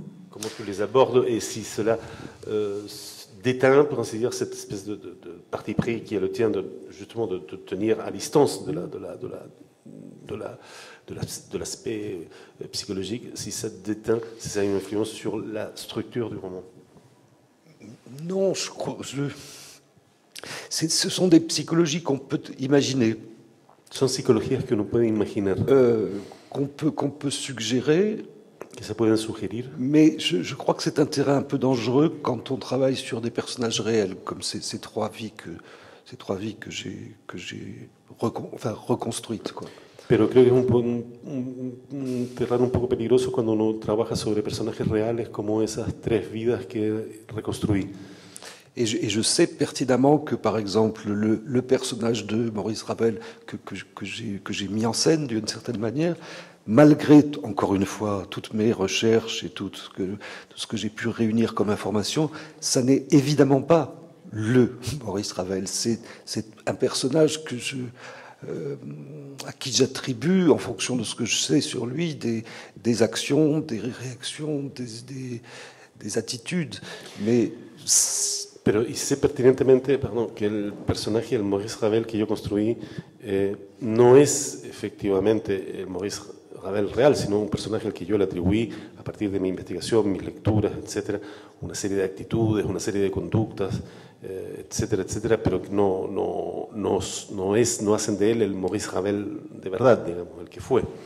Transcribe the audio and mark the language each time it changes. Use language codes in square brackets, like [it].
[fr] Comment tu les abordes et si cela déteint, pour ainsi dire, cette espèce de parti pris qui est le tien, justement, de te tenir à distance de l'aspect psychologique, si ça déteint, si ça a une influence sur la structure du roman? Non, je crois... Ce sont des psychologies qu'on peut imaginer. [es] Son psicología que uno puede imaginar. [fr] Qu'on peut suggérer. [es] Que se pueden sugerir. [fr] Mais je crois que c'est un terrain un peu dangereux quand on travaille sur des personnages réels, comme ces trois vies que j'ai reconstruites, quoi. [es] Pero creo que es un terreno un poco peligroso cuando uno trabaja sobre personajes reales como esas tres vidas que reconstruí. [fr] Et je sais pertinemment que, par exemple, le personnage de Maurice Ravel que j'ai mis en scène d'une certaine manière, malgré, encore une fois, toutes mes recherches et tout ce que j'ai pu réunir comme information, ça n'est évidemment pas le Maurice Ravel. C'est un personnage à qui j'attribue, en fonction de ce que je sais sur lui, des actions, des réactions, des attitudes. Mais... [es] Pero hice pertinentemente, perdón, que el personaje, el Maurice Ravel que yo construí, no es efectivamente el Maurice Ravel real, sino un personaje al que yo le atribuí a partir de mi investigación, mis lecturas, etcétera, una serie de actitudes, una serie de conductas, etcétera, etcétera, pero que no hacen de él el Maurice Ravel de verdad, digamos, el que fue.